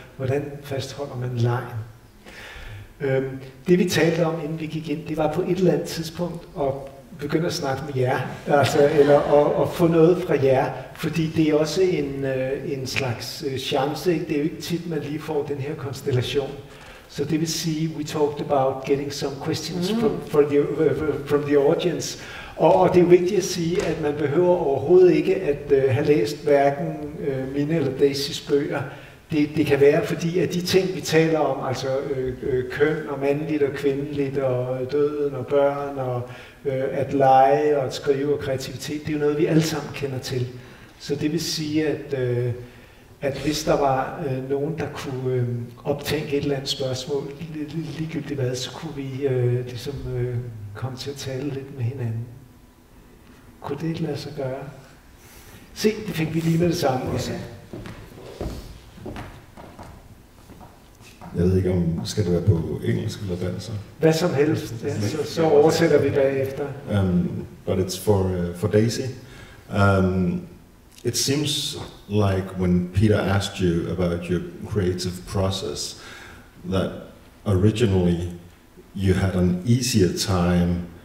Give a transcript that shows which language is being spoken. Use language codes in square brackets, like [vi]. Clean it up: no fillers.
[da] Hvordan fastholder man lejen? Det vi talte om, inden vi gik ind, det var på et eller andet tidspunkt at begynde at snakke med jer, altså, eller at få noget fra jer, fordi det er også en slags chance. Det er jo ikke tit, man lige får den her konstellation. Så det vil sige, [en] we talked about getting some questions from the audience. [da] Og det er vigtigt at sige, at man behøver overhovedet ikke at have læst hverken mine eller Daisys bøger. Det kan være, fordi at de ting, vi taler om, altså køn og mandligt og kvindeligt og døden og børn og at lege og at skrive og kreativitet, det er jo noget, vi alle sammen kender til. Så det vil sige, at hvis der var nogen, der kunne optænke et eller andet spørgsmål, ligegyldigt hvad, så kunne vi komme til at tale lidt med hinanden. Kunne det ikke lade sig gøre? Se, det fik vi lige med det samme også. Jeg ved ikke, om skal det være på engelsk eller dansk? Hvad som helst, så oversætter vi bagefter. [en] But it's for Daisy. It seems like when Peter asked you about your creative process, that originally you had an easier time